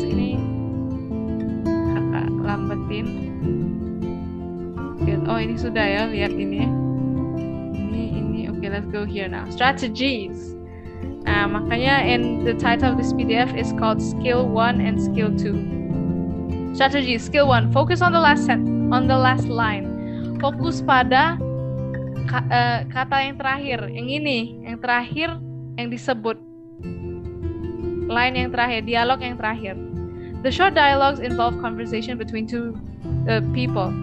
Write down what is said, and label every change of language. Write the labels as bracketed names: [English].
[Indonesian] Ini kakak lambatin. Oh, ini sudah ya. Lihat ini. Ini. [English] Okay, let's go here now. Strategies. [Indonesian] Nah, makanya [English] in the title of this PDF is called Skill 1 and Skill 2. Strategy, Skill 1, focus on the last line. [Indonesian] Fokus pada kata yang terakhir, yang ini, yang terakhir yang disebut. Line yang terakhir, dialog yang terakhir. [English] The short dialogues involve conversation between two people.